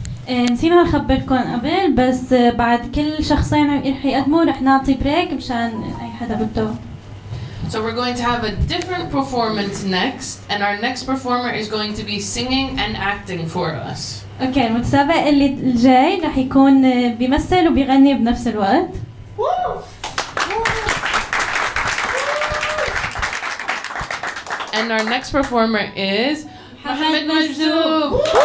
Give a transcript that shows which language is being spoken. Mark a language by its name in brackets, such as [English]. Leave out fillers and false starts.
[Arabic] نسينا نخبركم قبل بس بعد كل شخصين رح يقدموا رح نعطي بريك مشان اي حدا بده. [English] So we're going to have a different performance next and our next performer is going to be singing and acting for us. [Arabic] Okay, المتسابق اللي الجاي رح يكون بيمثل وبيغني بنفس الوقت. [English] And our next performer is Mohammed Majzoub.